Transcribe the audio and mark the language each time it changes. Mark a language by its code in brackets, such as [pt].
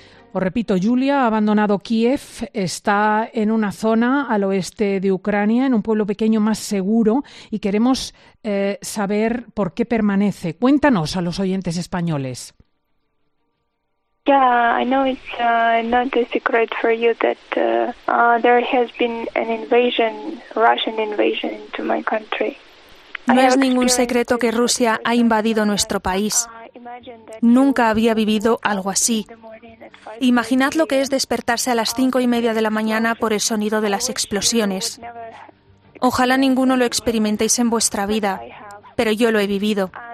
[es] Os repito, Julia ha abandonado Kiev, está en una zona al oeste de Ucrania, en un pueblo pequeño más seguro, y queremos saber por qué permanece. Cuéntanos a los oyentes españoles. [en] Yeah, I know it's not a secret for you that there has been an invasion, Russian invasion into my country. [es] No es ningún secreto que Rusia ha invadido nuestro país. Nunca había vivido algo así. Imaginad lo que es despertarse a las 5:30 de la mañana por el sonido de las explosiones. Ojalá ninguno lo experimentéis en vuestra vida, pero yo lo he vivido.